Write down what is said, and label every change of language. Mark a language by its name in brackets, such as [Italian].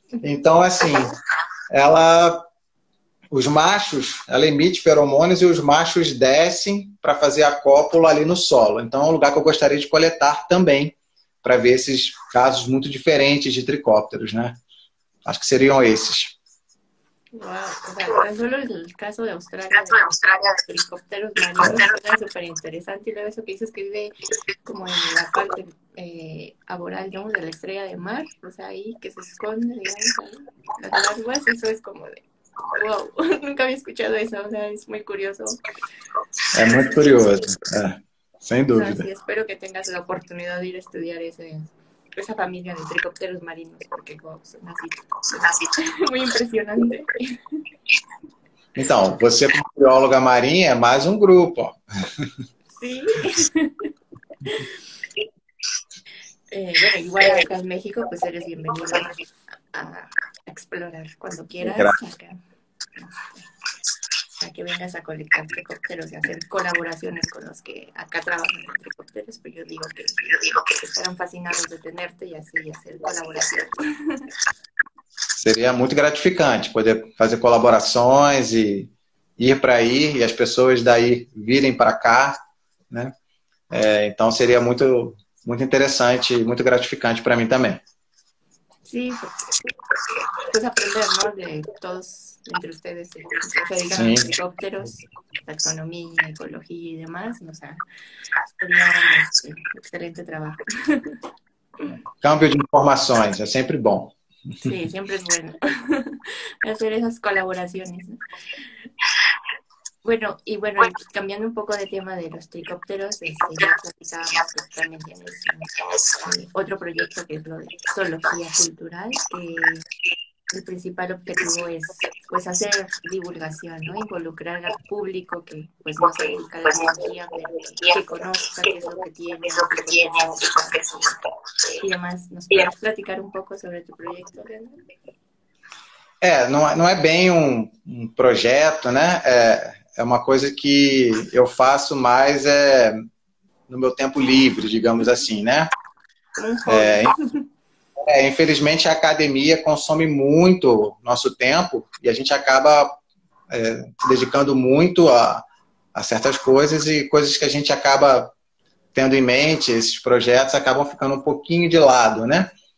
[Portuguese] Então, assim, os machos, ela emite feromônios e os machos descem para fazer a cópula ali no solo. Então, é um lugar que eu gostaria de coletar também, para ver esses casos muito diferentes de tricópteros, né? Acho que seriam esses. [Spanish] Wow, o sea, tan solo el caso de Australia, de los helicópteros marinos, suena súper interesante. Y luego eso que dices que vive como en la parte aboral, ¿no? De la estrella de mar, pues ahí que se esconde, digamos, las larvas, eso es como de wow, nunca había escuchado eso, o sea, es muy curioso. [Portuguese] É muito curioso, sin dúvida. [Spanish] sí, espero que tengas la oportunidad de ir a estudiar esa familia de tricópteros marinos, porque wow, son así. Muy impresionante. [Portuguese] Então, você como bióloga marinha é mais um grupo. [Spanish] Sí. Bueno, igual acá en México, pues eres bienvenido a explorar cuando quieras, Gracias. a que vengas a colectar tricópteros y hacer colaboraciones con los que acá trabajan en tricópteros, pero yo digo que estarán fascinados de tenerte y así hacer colaboración. [Portuguese] Seria muito gratificante poder fazer colaborações e ir para aí e as pessoas daí virem para cá, né? Então seria muito muito interessante e muito gratificante para mim também. [Spanish] Sí, pues aprender, ¿no? De todos, entre ustedes, que se dedican a los [Portuguese] Sim. [Spanish] tricópteros, taxonomía, ecología y demás, o sea, sería excelente trabajo. [Portuguese] Cambio de informações é sempre bom. [Spanish] Sí, siempre es bueno hacer esas colaboraciones, ¿no? Bueno, y bueno, cambiando un poco de tema de los tricópteros, ya platicábamos que también tienes otro proyecto que es lo de zoología cultural, que el principal objetivo es pues hacer divulgación, ¿no? Involucrar al público que pues no se dedica a la biología, pero que conozca qué es lo que tiene, qué es lo que necesita y demás. ¿Nos puedes platicar un poco sobre tu proyecto, Leonardo? [Portuguese] Não é bem um projeto, né? É uma coisa que eu faço mais no meu tempo livre, digamos assim, né? Um hobby. Infelizmente, a academia consome muito nosso tempo e a gente acaba dedicando muito a certas coisas e coisas que a gente acaba tendo em mente, esses projetos acabam ficando um pouquinho de lado, né?